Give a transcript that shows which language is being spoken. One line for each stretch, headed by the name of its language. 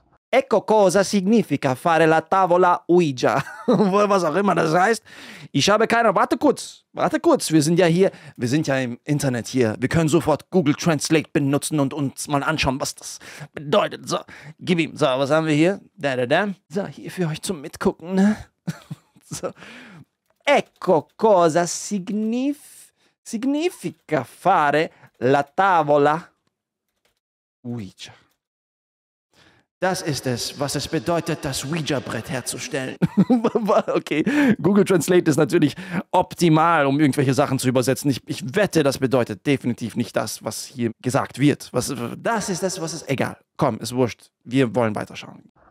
Italian: Ecco cosa significa fare la tavola Ouija.
German: Was auch immer das heißt. Ich habe keine... Warte kurz. Wir sind ja hier... Wir sind ja im Internet hier. Wir können sofort Google Translate benutzen und uns mal anschauen, was das bedeutet. So, gib ihm. So, was haben wir hier? Da. So, hier für euch zum Mitgucken. So...
Italian: Ecco cosa significa fare la tavola Ouija.
German: Das ist es, was es bedeutet, das Ouija-Brett herzustellen. Okay, Google Translate ist natürlich optimal, um irgendwelche Sachen zu übersetzen. Ich wette, das bedeutet definitiv nicht das, was hier gesagt wird. Das ist es, was es... Egal, komm, ist wurscht. Wir wollen weiterschauen.